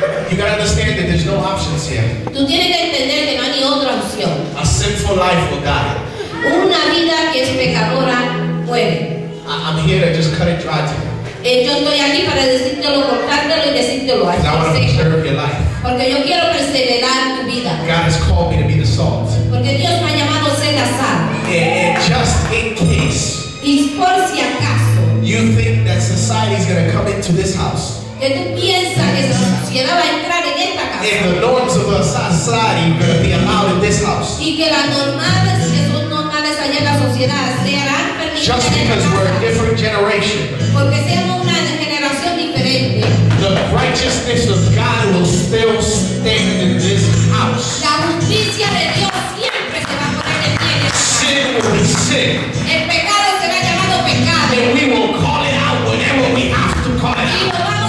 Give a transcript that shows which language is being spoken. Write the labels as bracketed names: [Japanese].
[English] You gotta understand that there's no options here. [Spanish] Tú tienes que entender que no hay ni otra opción. [English] A sinful life will die. [Spanish] Una vida que es pecadora muere. [English] I'm here to just cut it dry to you. [Spanish] Yo estoy aquí para decírtelo, cortártelo y decírtelo. [English] I want to preserve your life. [Spanish] Porque yo quiero preservar tu vida. [English] God has called me to be the salt. [Spanish] Porque Dios me ha llamado a ser la sal. [English] And just in case. [Spanish] Y por si acaso. [English] You think that society is going to come into this house. [Spanish] Que tú piensas que la sociedad va a entrar en esta casa. [English] And the norms of our society are going to be allowed in this house. [Spanish] Y que las normas que son normales allá en la sociedad serán permitidas. [English] Just because we're a different generation. [Spanish] Porque seamos una generación diferente. [English] The righteousness of God will still stand in this house. [Spanish] La justicia de Dios siempre se va a poner en pie. [English] Sin will be sin. [Spanish] El pecado será llamado pecado. [English] And we will call it out whenever we have to call it out.